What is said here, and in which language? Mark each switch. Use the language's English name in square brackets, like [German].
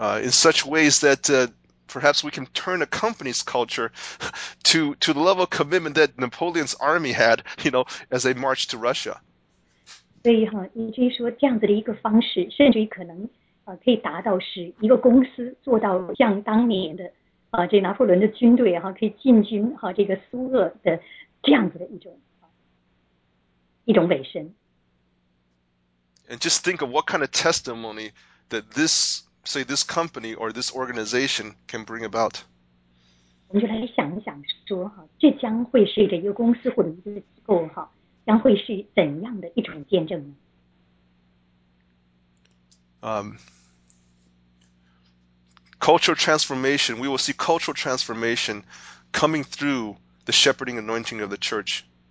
[English] such ways that perhaps we can turn a company's culture to the level of commitment that Napoleon's army had, you know, as they marched to Russia. [Chinese] 所以，以至于说这样子的一个方式，甚至于可能，可以达到是一个公司做到像当年的，这拿破仑的军队，可以进军这个苏俄的这样子的一种尾声。 [English] And just think of what kind of testimony that this, say, this company or this organization can bring about. [Chinese] 我们就来想一想说，这将会是这一个公司或者一个机构，将会是怎样的一种见证呢？ [English] Cultural transformation, we will see cultural transformation coming through the shepherding anointing of the church.